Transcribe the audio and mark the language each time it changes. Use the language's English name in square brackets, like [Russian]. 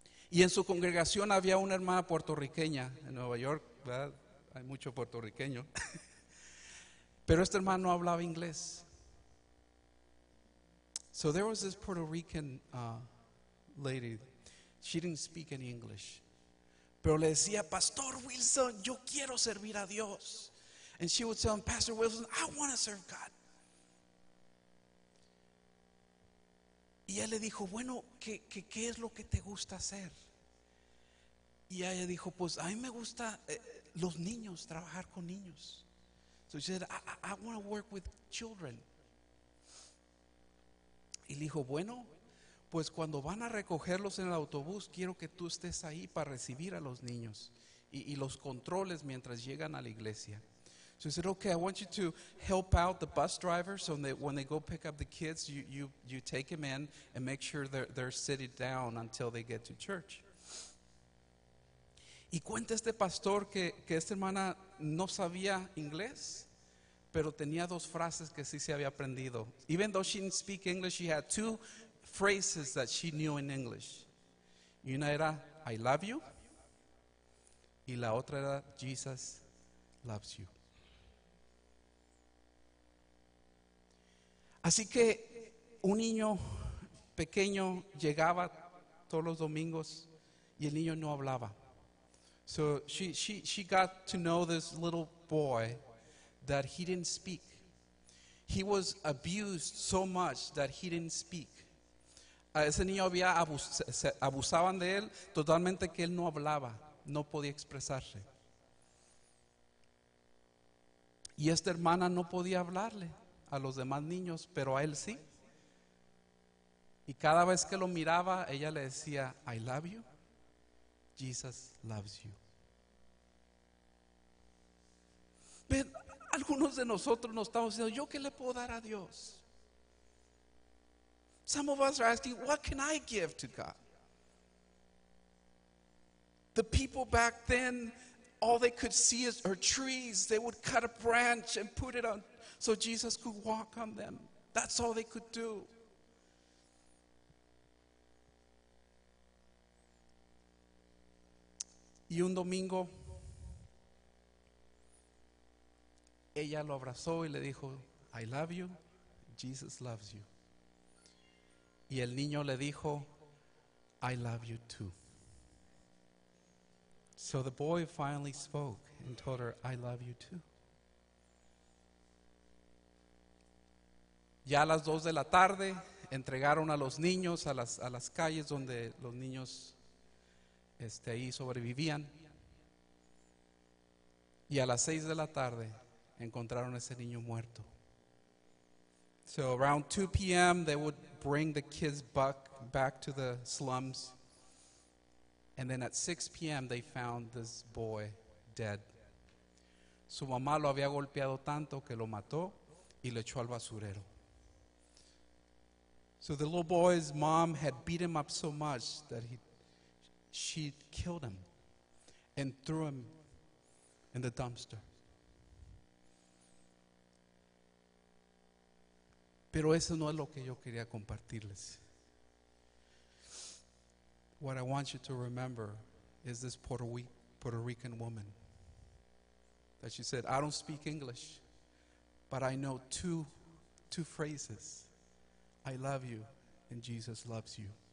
[Spanish] Y en su congregación había una hermana puertorriqueña en Nueva York, ¿verdad? Hay mucho puertorriqueño. Pero este hermano no hablaba inglés. [English] So there was this Puerto Rican lady. She didn't speak any English. [Spanish] Pero le decía, Pastor Wilson, yo quiero servir a Dios. [English] And she would tell him, Pastor Wilson, I want to serve God. [Spanish] Y él le dijo, bueno, ¿qué es lo que te gusta hacer? Y ella dijo, pues a mí me gusta los niños, trabajar con niños. [English] So she said, I want to work with children. [Spanish] Y le dijo, bueno, pues cuando van a recogerlos en el autobús, quiero que tú estés ahí para recibir a los niños y los controles mientras llegan a la iglesia. [English] So he said, okay, I want you to help out the bus drivers so that when they go pick up the kids, you take them in and make sure they're sitting down until they get to church. [Spanish] Y cuenta este pastor que esta hermana no sabía inglés, pero tenía dos frases que sí se había aprendido. [English] Even though she didn't speak English, she had two phrases that she knew in English. [Spanish] Y una era, [English] I love you. [Spanish] Y la otra era, [English] Jesus loves you. [Spanish] Así que un niño pequeño llegaba todos los domingos y el niño no hablaba. [English] So she got to know this little boy that he didn't speak. He was abused so much that he didn't speak. [Spanish] Ese niño había abusaban de él totalmente que él no hablaba, no podía expresarse. Y esta hermana no podía hablarle a los demás niños, pero a él sí. Y cada vez que lo miraba, ella le decía, [English] I love you. Jesus loves you. [Spanish] Pero algunos de nosotros nos estamos diciendo, ¿yo qué le puedo dar a Dios? [English] Some of us are asking, what can I give to God? The people back then, all they could see are trees. They would cut a branch and put it on so Jesus could walk on them. That's all they could do. [Spanish] Y un domingo, ella lo abrazó y le dijo, [English] I love you, Jesus loves you. [Spanish] Y el niño le dijo, [English] I love you too. So the boy finally spoke and told her, I love you too. [Spanish] Ya a las 2 de la tarde, entregaron a los niños a las calles donde los niños ahí sobrevivían. Y a las 6 de la tarde, encontraron a ese niño muerto. [English] So around 2 p.m., they would bring the kids back to the slums. And then at 6 p.m., they found this boy dead. [Spanish] Su mamá lo había golpeado tanto que lo mató y lo echó al basurero. [English] So the little boy's mom had beat him up so much that she killed him and threw him in the dumpster. [Spanish] Pero eso no es lo que yo quería compartirles. [English] What I want you to remember is this Puerto Rican woman that she said, I don't speak English, but I know two phrases. I love you and Jesus loves you.